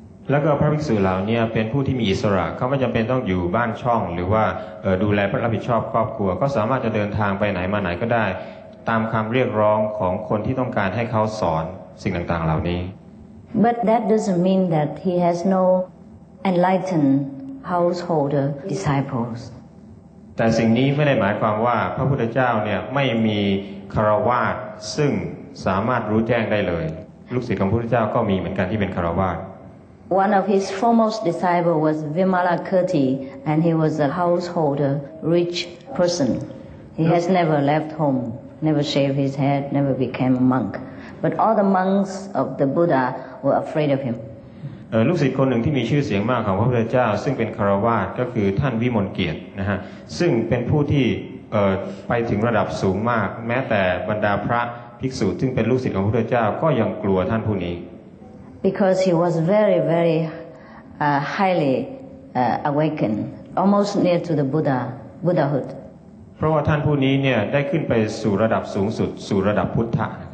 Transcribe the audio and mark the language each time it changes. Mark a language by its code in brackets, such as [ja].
[th] แล้วก็พระภิกษุเหล่าเนี้ยเป็นผู้ที่มีอิสระเขาไม่จําเป็นต้องอยู่บ้านช่องหรือว่าดูแลรับผิดชอบครอบครัวก็สามารถจะเดินทางไปไหนมาไหนก็ได้ตามคําเรียกร้องของคนที่ต้องการให้เขาสอนสิ่งต่างๆเหล่านี้ [en] But that doesn't mean that he has no enlightened householder disciples. [th] แต่สิ่งนี้ไม่ได้หมายความว่าพระพุทธเจ้าเนี่ยไม่มีคฤหัสถ์ซึ่งสามารถรู้แจ้งได้เลยลูกศิษย์ของพระพุทธเจ้าก็มีเหมือนกันที่เป็นคฤหัสถ์ [en] One of his foremost disciple was Vimalakirti and he was a householder rich person. He has never left home, never shaved his head, never became a monk. But all the monks of the Buddha were afraid of him. [th] ลูกศิษย์คนหนึ่งที่มีชื่อเสียงมากของพระพุทธเจ้าซึ่งเป็นคฤหัสถ์ก็คือท่านวิมลเกียรตินะฮะซึ่งเป็นผู้ที่ไปถึงระดับสูงมากแม้แต่บรรดาพระภิกษุซึ่งเป็นลูกศิษย์ของพระพุทธเจ้าก็ยังกลัวท่านผู้นี้ [en] Because he was very very highly awakened almost near to the Buddha Buddhahood. [th] เพราะว่าท่านผู้นี้เนี่ยได้ขึ้นไปสู่ระดับสูงสุดสู่ระดับพุทธะ